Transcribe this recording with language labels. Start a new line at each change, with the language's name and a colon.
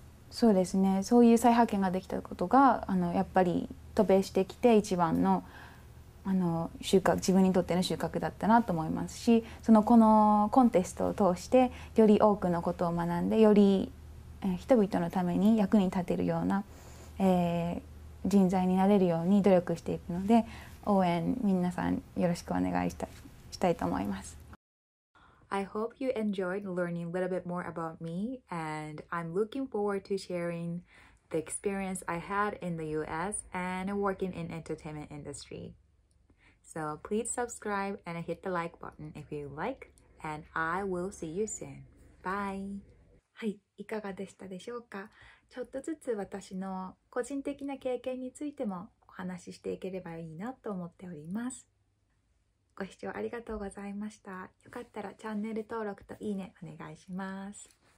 Japanese: そうですね、そういう再発見ができたことがやっぱり渡米してきて一番の収穫、自分にとっての収穫だったなと思いますし、そのこのコンテストを通してより多くのことを学んで、より人々のために役に立てるような、人材になれるように努力していくので、応援みんなさんよろしくお願いしたいと思います。
English: I hope you enjoyed learning a little bit more about me, and I'm looking forward to sharing the experience I had in the US and working in entertainment industry. So please subscribe and hit the like button if you like, and I will see you soon. Bye!
Japanese: はい、いかがでしたでしょうか。ちょっとずつ私の個人的な経験についてもお話ししていければいいなと思っております。ご視聴ありがとうございました。よかったらチャンネル登録といいねお願いします。